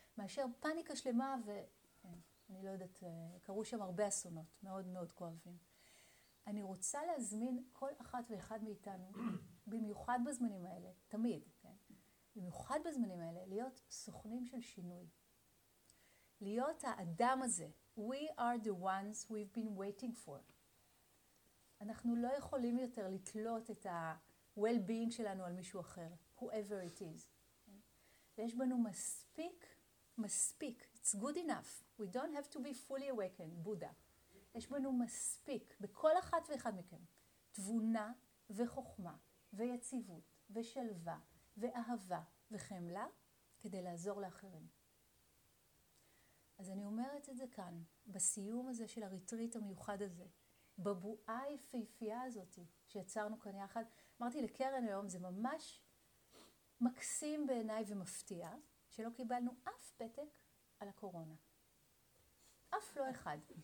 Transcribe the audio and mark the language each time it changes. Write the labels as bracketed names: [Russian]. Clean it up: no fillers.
[Hebrew] מאשר פאניקה שלמה, ואני לא יודעת, קרו שם הרבה אסונות, מאוד מאוד כואבים. אני רוצה להזמין כל אחת ואחד מאיתנו, במיוחד בזמנים האלה, תמיד, כן? במיוחד בזמנים האלה, להיות סוכנים של שינוי. להיות האדם הזה. [English] We are the ones we've been waiting for. [Hebrew] אנחנו לא יכולים יותר לתלות את ה-well-being שלנו על מישהו אחר. [English] Whoever it is. [Hebrew] ויש בנו מספיק, מספיק. [English] It's good enough. We don't have to be fully awakened, Buddha. [Hebrew] יש בנו מספיק, בכל אחת ואחד מכם, תבונה וחוכמה ויציבות ושלווה. ואהבה וחמלה כדי לעזור לאחרים. אז אני אומרת את זה כאן, בסיום הזה של הריטריט המיוחד הזה, בבועה היפהפייה הזאת שיצרנו כאן יחד, אמרתי לקרן היום, זה ממש מקסים בעיניי ומפתיע, שלא קיבלנו אף פתק על הקורונה. אף לא אחד.